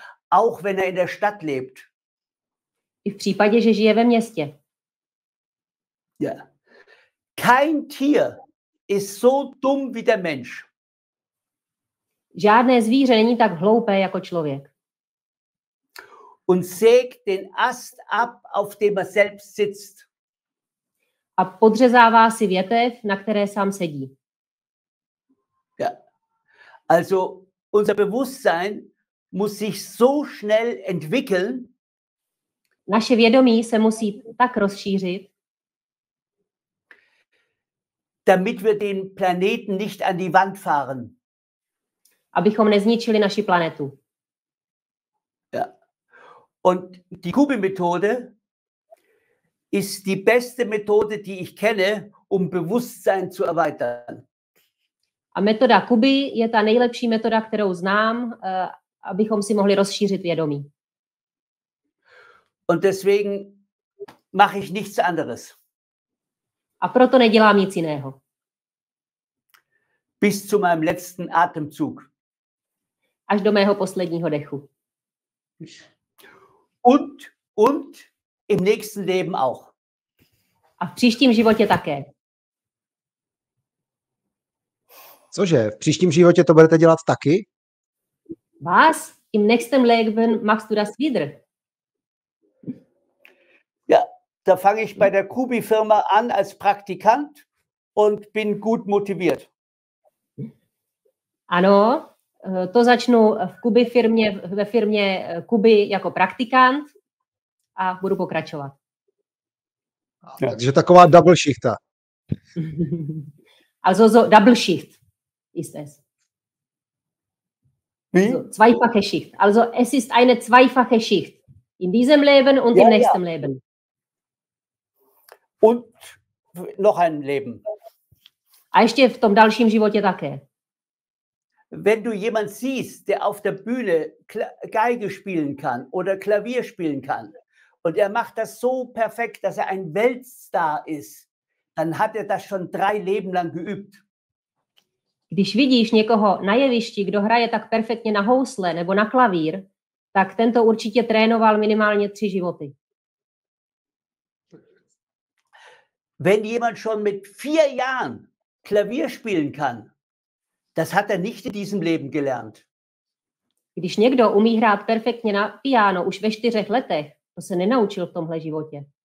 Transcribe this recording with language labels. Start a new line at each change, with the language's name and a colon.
German: Auch wenn er in der Stadt lebt.
Czech: I v případě, že žije ve městě.
German: Ja. Kein Tier ist so dumm wie der Mensch.
Czech: Žádné zvíře není tak hloupé jako člověk.
German: Und sägt den Ast ab, auf dem er selbst sitzt.
Czech: A podřezává si větev, na které sám sedí.
German: Ja. Also unser Bewusstsein muss sich so schnell entwickeln.
Czech: Naše vědomí se musí tak rozšířit,
German: damit wir den Planeten nicht an die Wand fahren.
Czech: Abychom nezničili naši planetu.
German: Ja. Und die Kubi-Methode ist die beste Methode, die ich kenne, um Bewusstsein zu erweitern.
Czech: A metoda Kubi je ta nejlepší metoda, kterou znám, abychom si mohli rozšířit vědomí.
German: Und deswegen mache ich nichts anderes.
Czech: A proto nedělám nic jiného.
German: Bis zu meinem letzten Atemzug.
Czech: Až do mého posledního dechu.
German: Und im nächsten Leben auch.
Czech: A v příštím životě také. Cože, v příštím životě to budete dělat taky?
German: Was? Im nächsten Leben machst du das wieder? Ja, da fange ich bei der Kubi-Firma an als Praktikant und bin gut motiviert.
Czech: Ano, to začnu v Kubi firmě, ve firmě Kubi jako praktikant a budu pokračovat. Takže taková double shifta.
German: Also so
English: double shift
German: ist es. Wie? So, zweifache Schicht. Also es ist eine zweifache Schicht. In diesem Leben und ja, im nächsten ja. Leben. Und noch ein Leben.
Czech: A ještě v tom dalším životě také.
German: Wenn du jemand siehst, der auf der Bühne Geige spielen kann oder Klavier spielen kann und er macht das so perfekt, dass er ein Weltstar ist, dann hat er das schon drei Leben lang geübt.
Czech: Když vidíš někoho na jevišti, kdo hraje tak perfektně na housle nebo na klavír, tak tento určitě trénoval minimálně tři životy.
German: Wenn jemand schon mit vier Jahren Klavier spielen kann, das hat er nicht in diesem Leben gelernt.
Czech: Když někdo umí hrát perfektně na piano už ve čtyřech letech, to se nenaučil v tomhle životě.